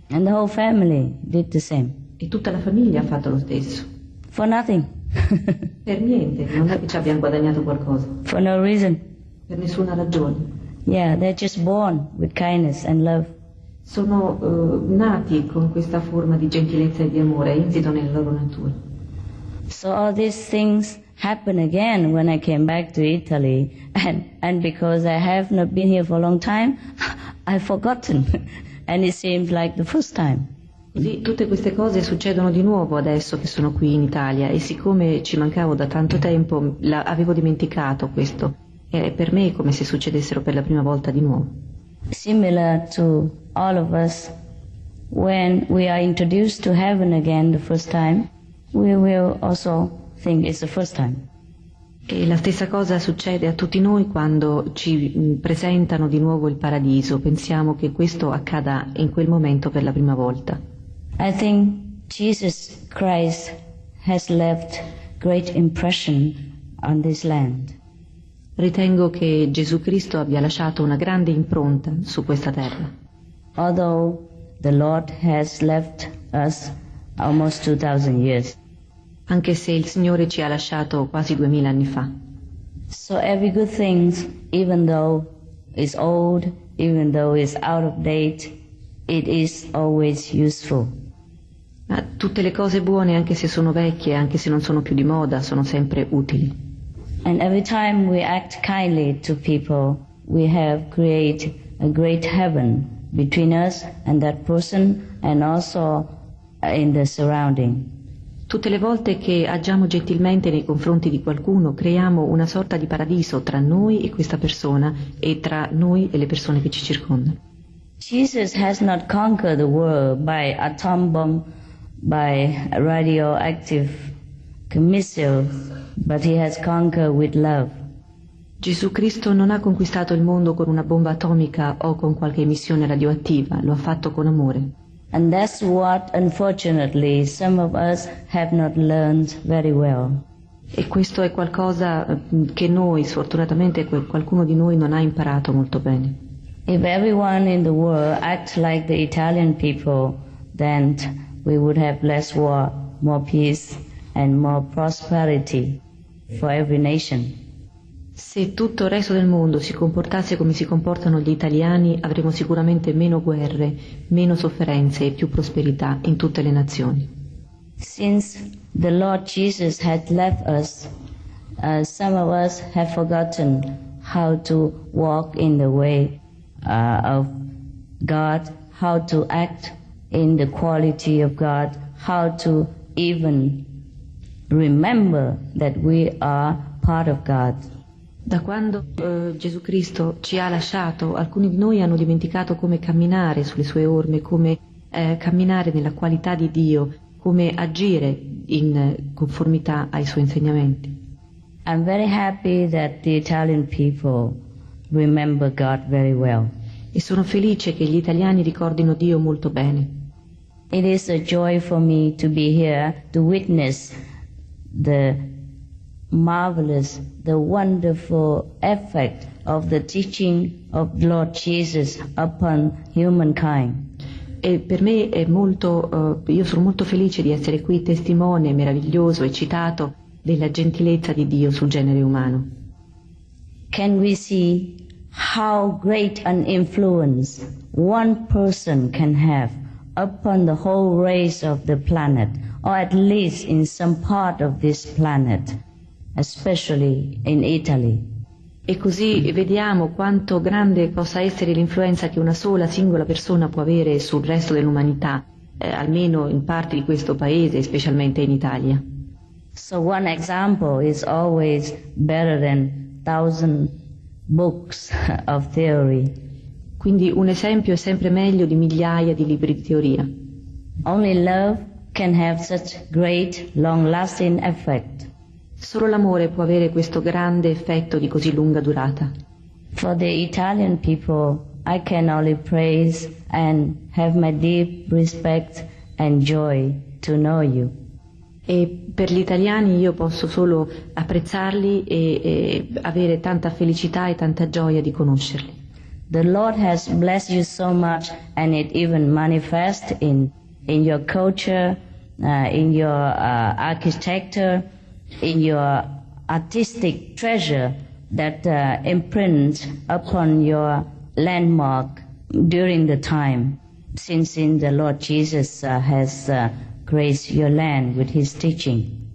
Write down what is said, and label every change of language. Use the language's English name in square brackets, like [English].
[English] And the whole family did the same. [Italian] E tutta la famiglia ha fatto lo stesso. [English] For nothing. [Italian] Per niente, non è che ci abbiamo guadagnato qualcosa. [English] For no reason. [Italian] Per nessuna ragione. [English] Yeah, they're just born with kindness and love. [Italian] Sono nati con questa forma di gentilezza e di amore insito nella loro natura. [English] So all these things happen again when I came back to Italy, and because I have not been here for a long time, I've forgotten, and it seems like the first time. [Italian] Così tutte queste cose succedono di nuovo adesso che sono qui in Italia, e siccome ci mancavo da tanto tempo, avevo dimenticato questo. E per me è come se succedessero per la prima volta di nuovo. [English] Similar to all of us, when we are introduced to heaven again the first time, we will also think it's the first time. [Italian] E la stessa cosa succede a tutti noi quando ci presentano di nuovo il paradiso. Pensiamo che questo accada in quel momento per la prima volta. [English] I think Jesus Christ has left great impression on this land. [Italian] Ritengo che Gesù Cristo abbia lasciato una grande impronta su questa terra. [English] Although the Lord has left us almost 2,000 years. [Italian] Anche se il Signore ci ha lasciato quasi 2,000 anni fa. [English] So every good thing, even though it's old, even though it's out of date, it is always useful. [Italian] Ma tutte le cose buone, anche se sono vecchie, anche se non sono più di moda, sono sempre utili. [English] And every time we act kindly to people, we have created a great heaven between us and that person, and also in the surrounding. [Italian] Tutte le volte che agiamo gentilmente nei confronti di qualcuno, creiamo una sorta di paradiso tra noi e questa persona, e tra noi e le persone che ci circondano. [English] Jesus has not conquered the world by atom bomb, by radioactive missile, but he has conquered with love. [Italian] Gesù Cristo non ha conquistato il mondo con una bomba atomica o con qualche missione radioattiva, lo ha fatto con amore. [English] And that's what, unfortunately, some of us have not learned very well. [Italian] E questo è qualcosa che noi, sfortunatamente, qualcuno di noi non ha imparato molto bene. [English] If everyone in the world act like the Italian people, then we would have less war, more peace, and more prosperity for every nation. [Italian] Se tutto il resto del mondo si comportasse come si comportano gli italiani, avremo sicuramente meno guerre, meno sofferenze e più prosperità in tutte le nazioni. [English] Since the Lord Jesus had left us, some of us have forgotten how to walk in the way of God, how to act in the quality of God, how to even remember that we are part of God. [Italian] Da quando Gesù Cristo ci ha lasciato, alcuni di noi hanno dimenticato come camminare sulle sue orme, come camminare nella qualità di Dio, come agire in conformità ai suoi insegnamenti. [English] I'm very happy that the Italian people remember God very well. [Italian] E sono felice che gli italiani ricordino Dio molto bene. [English] It is a joy for me to be here to witness the marvelous, the wonderful effect of the teaching of Lord Jesus upon humankind. [Italian] E per me è molto, io sono molto felice di essere qui testimone meraviglioso e citato della gentilezza di Dio sul genere umano. [English] Can we see how great an influence one person can have upon the whole race of the planet, or at least in some part of this planet, especially in Italy? [Italian] E così vediamo quanto grande possa essere l'influenza che una sola singola persona può avere sul resto dell'umanità, almeno in parte di questo paese, specialmente in Italia. [English] So one example is always better than 1,000 books of theory. [Italian] Quindi un esempio è sempre meglio di migliaia di libri di teoria. [English] Only love can have such great, long-lasting effect. [Italian] Solo l'amore può avere questo grande effetto di così lunga durata. [English] For the Italian people, I can only praise and have my deep respect and joy to know you. [Italian] E per gli italiani io posso solo apprezzarli e avere tanta felicità e tanta gioia di conoscerli. [English] The Lord has blessed you so much, and it even manifests in your culture, in your architecture, in your artistic treasure that imprints upon your landmark during the time, since in the Lord Jesus has graced your land with his teaching.